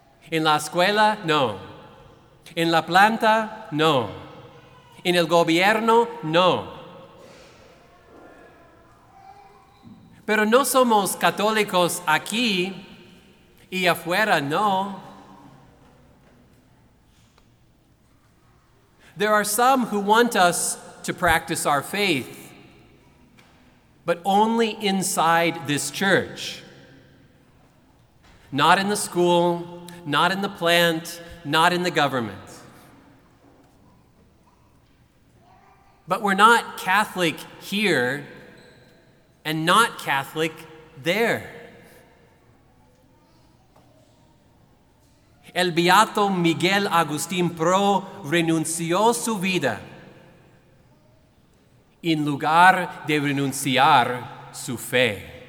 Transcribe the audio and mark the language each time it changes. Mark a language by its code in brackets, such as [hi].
[es] En la escuela, no. En la planta, no. En el gobierno, no. Pero no somos católicos aquí y afuera, no. [en] There are some who want us to practice our faith, but only inside this church. Not in the school, not in the plant, not in the government. But we're not Catholic here and not Catholic there. [es] El Beato Miguel Agustín Pro renunció su vida en lugar de renunciar su fe.